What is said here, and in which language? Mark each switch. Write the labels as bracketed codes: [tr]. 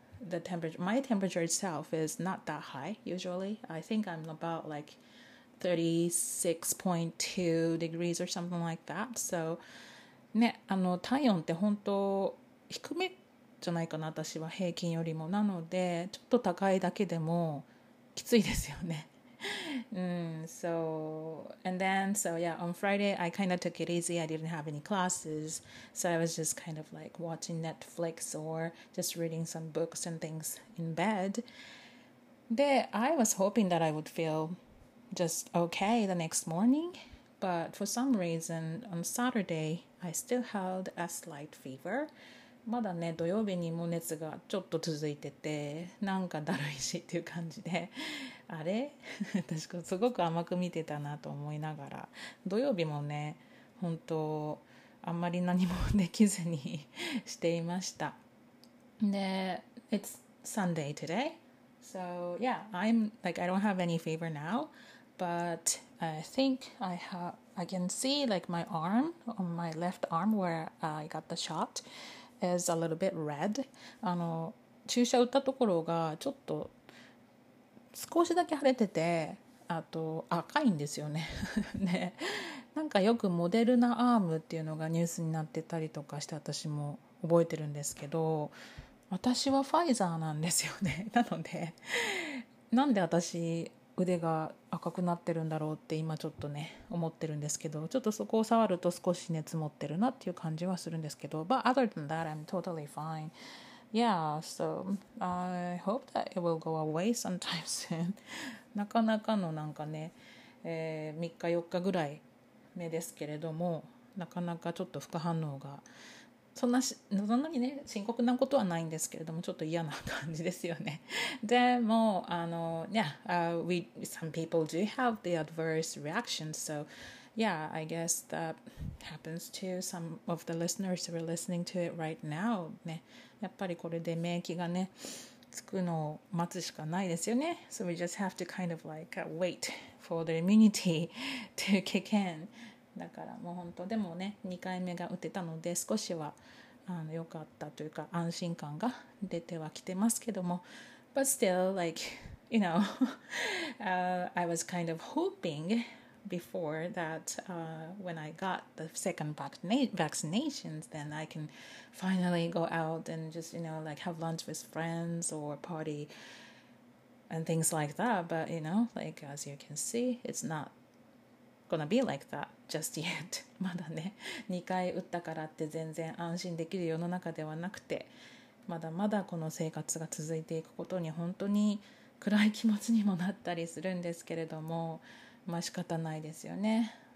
[en] The temperature, my temperature itself is not that high usually. I think I'm about like 36.2 degrees or something like that. So, [ja] ね、体温って本当低めじゃないかな、私は平均よりも。なので、ちょっと高いだけでもきついですよね。 [en] On Friday, I kind of took it easy. I didn't have any classes, so I was just kind of like watching Netflix or just reading some books and things in bed. で、I was hoping that I would feel just okay the next morning, but for some reason, on Saturday, I still had a slight fever. [ja] まだね土曜日にも熱がちょっと続いてて、なんかだるいしっていう感じで、あれ私すごく甘く見てたなと思いながら、土曜日もね本当あんまり何もできずにしていました。 [en] で It's Sunday today, so yeah, I'm like I don't have any fever now, but I think I can see like my arm on my left arm where I got the shot is a little bit red. [ja] 注射打ったところがちょっと少しだけ腫れてて、あと赤いんですよね。ね、なんかよくモデルナアームっていうのがニュースになってたりとかして、私も覚えてるんですけど、私はファイザーなんですよね。なのでなんで私腕が赤くなってるんだろうって今ちょっとね思ってるんですけど、ちょっとそこを触ると少し熱持ってるなっていう感じはするんですけど、 [en] But other than that I'm totally fine. Yeah, so I hope that it will go away sometime soon. [ja] なかなかのなんかね、3日4日ぐらい目ですけれども、なかなかちょっと副反応がそんなにね深刻なことはないんですけれども、ちょっと嫌な感じですよね。 [en] でもsome people do have the adverse reactions, so yeah, I guess that happens to some of the listeners who are listening to it right now. [ja] ね、やっぱりこれで免疫がねつくのを待つしかないですよね。 [en] So we just have to kind of like wait for the immunity to kick in. [ja] だからもう本当、でもね2回目が打てたので少しは良かったというか安心感が出てはきてますけども、 [en] But still like you know I was kind of hoping before that when I got the second vaccinations then I can finally go out and just you know like have lunch with friends or party and things like that, but you know like as you can see it's notGonna be like that just yet. [ja] まだね、2回打ったからって全然安心できる世の中ではなくて、まだまだこの生活が続いていくことに本当に暗い気持ちにもなったりするんですけれども、まあ仕方ないですよね。